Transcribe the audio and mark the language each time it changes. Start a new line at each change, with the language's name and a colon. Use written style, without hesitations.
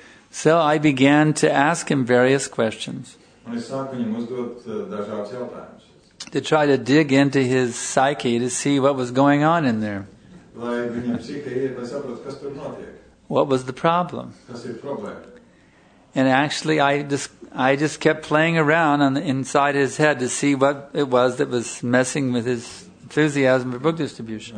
English: So I began to ask him various questions.
Latvian: Un es sāku viņam uzdot dažādus jautājumus.
English: To try to dig into his psyche to see what was going on in there. What was the problem? And actually, I just kept playing around inside his head to see what it was that was messing with his enthusiasm for book distribution.